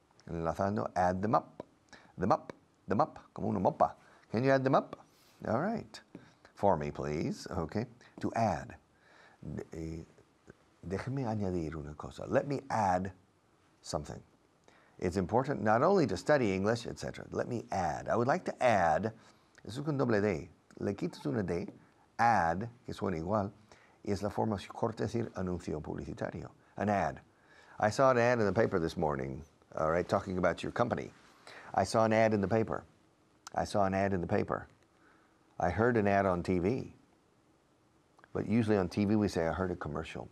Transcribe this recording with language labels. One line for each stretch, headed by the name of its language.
Spanish: Enlazando,
English: add them up. Them up, them up,
Spanish: como una mopa.
English: Can you add them up? All right. For me, please. Okay. To add.
Spanish: Déjeme añadir una cosa.
English: Let me add something. It's important not only to study English, etc. Let me add. I would like to add.
Spanish: Es un doble D. Le quitas una D. Add, que suena igual, es la forma corta de decir anuncio publicitario.
English: An ad. I saw an ad in the paper this morning, all right, talking about your company. I saw an ad in the paper. I saw an ad in the paper. I heard an ad on TV. But usually on TV we say, I heard a commercial.